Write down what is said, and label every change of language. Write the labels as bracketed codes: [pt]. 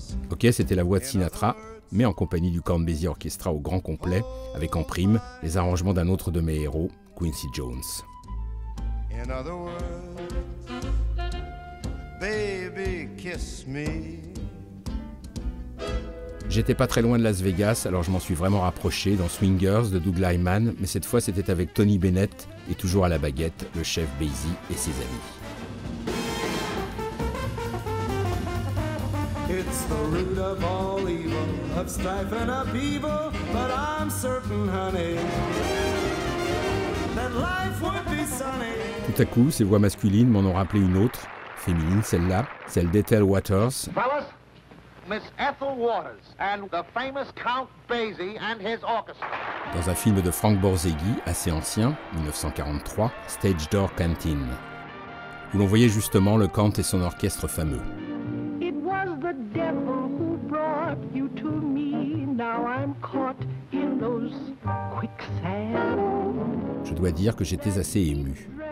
[fr] Ok, c'était la voix de Sinatra, mais en compagnie du Count Basie Orchestra au grand complet, avec en prime les arrangements d'un autre de mes héros, Quincy Jones. [en] In other words, baby, kiss me. [fr] J'étais pas très loin de Las Vegas, alors je m'en suis vraiment rapproché dans Swingers de Doug Liman, mais cette fois c'était avec Tony Bennett et toujours à la baguette, le chef Basie et ses amis. [en] It's the root of all evil, of strife and upheaval, but I'm certain, honey. That life would be sunny. [fr] Tout à coup, ces voix masculines m'en ont rappelé une autre, féminine celle-là, celle d'Ethel Waters. [en] Fellas, Miss Ethel Waters and the famous Count Basie and his orchestra. [fr] Dans un film de Frank Borzeghi, assez ancien, 1943, Stage Door Canteen, où l'on voyait justement le Count et son orchestre fameux. [en] It was the devil who brought you to me. Now I'm caught in those [fr] dois dire que j'étais assez ému.